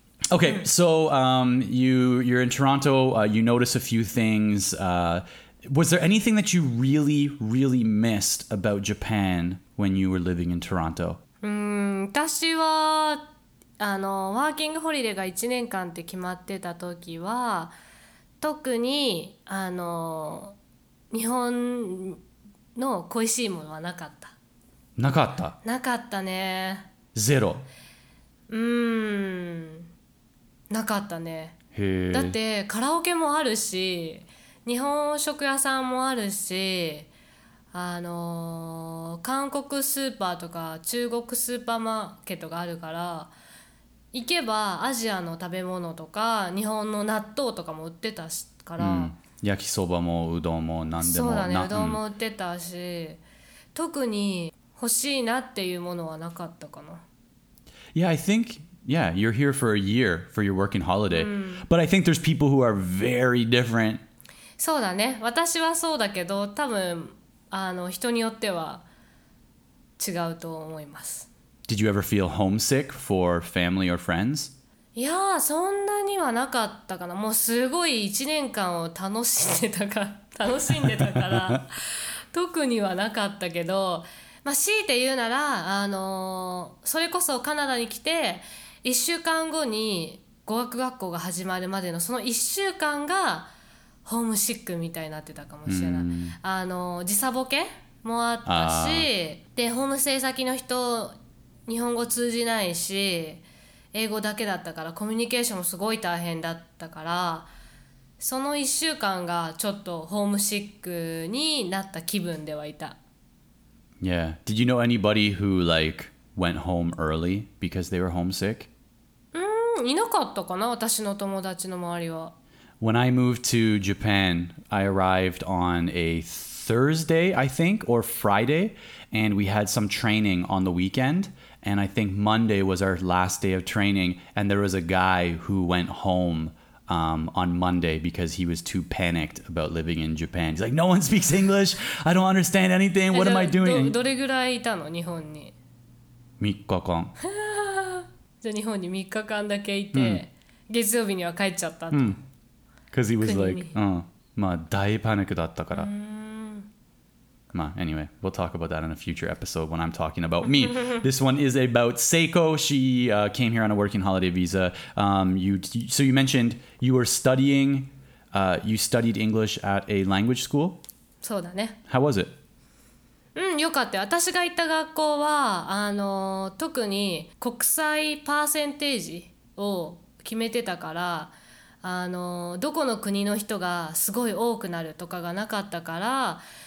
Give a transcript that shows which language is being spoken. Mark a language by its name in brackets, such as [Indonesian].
[English] Okay, so you're in Toronto, you notice a few things. Was there anything that you really, really missed about Japan when you were living in Toronto? [Japanese] 私は、ワーキングホリデーが1年間って決まってた時は、特に、日本の恋しいものはなかった。なかった？なかったね。ゼロ。なかったね。へえ。だってカラオケもあるし、日本食屋さんもあるし、韓国スーパーとか中国スーパーマーケットがあるから、行けばアジアの食べ物とか日本の納豆とかも売ってたしから、うん、焼きそばもうどんも何でも、そうだね、うどんも売ってたし、特に欲しいなっていうものはなかったかな。 [English] Yeah, I thinkYeah, you're here for a year for your working holiday. But I think there's people who are very different. [Japanese] そうだね。私はそうだけど、多分人によっては違うと思います。 [English] Did you ever feel homesick for family or friends? [Japanese] いや、そんなにはなかったかな。もうすごい1年間を楽しんでたから、特にはなかったけど、まあ、強いて言うなら、それこそカナダに来て、1週間後に語学学校が始まるまでのその1週間がホームシックみたいになってたかもしれない。時差ボケもあったし、でホームステイ先の人日本語通じないし英語だけだったからコミュニケーションもすごい大変だったから、その1週間がちょっとホームシックになった気分ではいた。 [English] Yeah. Did you know anybody who likeWent home early because they were homesick? [Japanese] いなかったかな、私の友達の周りは。 [English] when I moved to Japan, I arrived on a Thursday, I think, or Friday, and we had some training on the weekend. And I think Monday was our last day of training. And there was a guy who went home on Monday because he was too panicked about living in Japan. He's like, no one speaks English. I don't understand anything. What am I doing? [Japanese] どれぐらいいたの日本に? 3日間. じゃあ日本に3日間だけいて月曜日には帰っちゃったと。 [English] Because he was like, [Japanese] まあ大パニックだったから。 [English] Anyway, we'll talk about that in a future episode when I'm talking about me. This one is about Seiko. She came here on a working holiday visa. You mentioned you were studying, you studied English at a language school? [Japanese] そうだね。 [English] How was it? [Japanese] うん、よかったよ。私が行った学校は、特に国際パーセンテージを決めてたから、どこの国の人がすごい多くなるとかがなかったから、